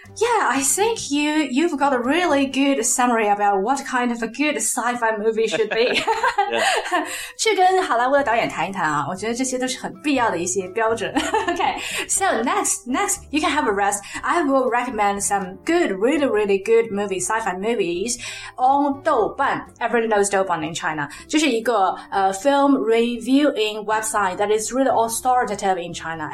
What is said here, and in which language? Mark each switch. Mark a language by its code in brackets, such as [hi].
[en] Yeah, I think you've got a really good summary about what kind of a good sci-fi movie should be. [zh] 去跟好莱坞的导演谈一谈啊，我觉得这些都是很必要的一些标准。 [en] Okay, so next, you can have a rest. I will recommend some good, really, really good movies, sci-fi movies on 豆瓣. Everyone knows 豆瓣 in China. [zh] 就是一个 [en] film reviewing website that is really authoritative in China.